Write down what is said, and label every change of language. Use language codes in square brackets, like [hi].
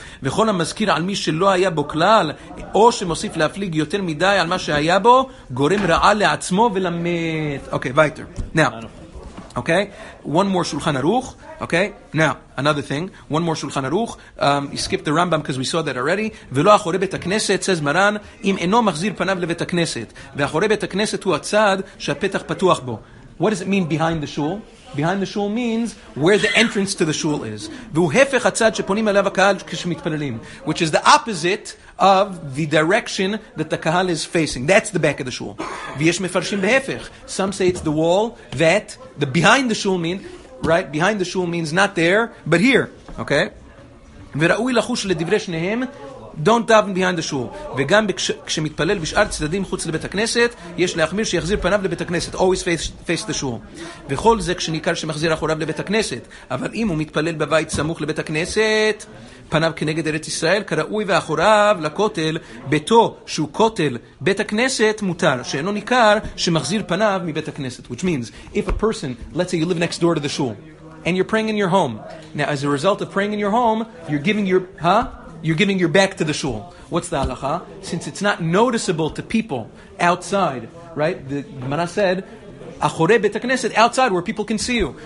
[he] וכל המזכיר על מי שלא היה בו כלל, או שמוסיף להפליג יותר מדי על מה שהיה בו, גורם רעה לעצמו ולמת. [en] Okay, weiter. Now, okay, one more שולחן ערוך. Okay, now, another thing. One more שולחן ערוך. You skipped the Rambam because we saw that already. [he] ולא אחורי בית הכנסת, [en] says Maran, [he] אם אינו מחזיר פניו לבית הכנסת. ואחורי בית הכנסת הוא הצד שהפתח פתוח בו. [en] What does it mean behind the shul? Behind the shul means where the entrance to the shul is. [he] והוא הפך הצד שפונים אליו הקהל כשמתפללים. [en] Which is the opposite of the direction that the kahal is facing. That's the back of the shul. [he] ויש מפרשים בהפך. [en] Some say it's the wall that the behind the shul means. Right behind the shul means not there, but here. Okay. [he] וראוי לחוש לדברי שניהם [en] don't daven behind the shul. [he] וגם כשמתפלל בשאר צדדים חוץ לבית הכנסת, יש להחמיר שיחזיר פניו לבית הכנסת. [en] Always face the shul. [he] וכל זה כשניכר שמחזיר אחוריו לבית הכנסת. אבל אם הוא מתפלל בבית סמוך לבית הכנסת, פניו כנגד ארץ ישראל, כראוי ואחוריו לכותל, ביתו שהוא כותל בית הכנסת, מותר, שאינו ניכר שמחזיר פניו מבית הכנסת. [en] Which means, if a person, let's say you live next door to the shul, and you're praying in your home. Now, as a result of praying in your home, you're giving your back to the shul. What's the halacha? Since it's not noticeable to people outside, right? The Gemara said, achore bet haknesset, outside where people can see you.